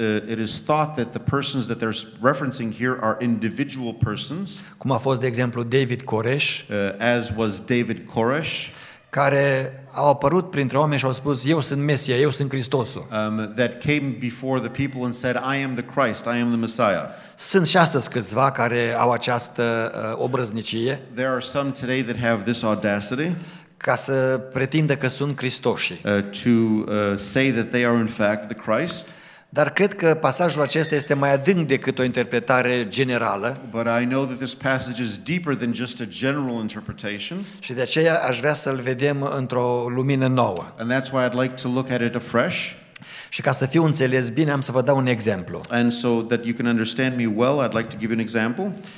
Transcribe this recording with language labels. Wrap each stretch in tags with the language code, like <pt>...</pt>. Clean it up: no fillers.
<en>It is thought that the persons that they're referencing here are individual persons.</en> <ro>Cum a fost, de exemplu, David Koresh.</ro> <en>As was David Koresh.</en> <ro>Care au apărut printre oameni și au spus, eu sunt Mesia, eu sunt Hristosul.</ro> <en>That came before the people and said, I am the Christ, I am the Messiah.</en> <ro>Sunt și astăzi câțiva care au această obrăznicie.</ro> <en>There are some today that have this audacity.</en> <ro>Ca să pretindă că sunt Hristoși.</ro> <en>Say that they are in fact the Christ.</en> <ro>Dar cred că pasajul acesta este mai adânc decât o interpretare generală.</ro> <en>But I know that this passage is deeper than just a general interpretation.</en> <ro>Și de aceea aș vrea să-l vedem într-o lumină nouă.</ro> <en>And that's why I'd like to look at it afresh.</en> <ro>Și ca să fiu înțeles bine, am să vă dau un exemplu.</ro> <en>And so that you can understand me well, I'd like to give you an example.</en>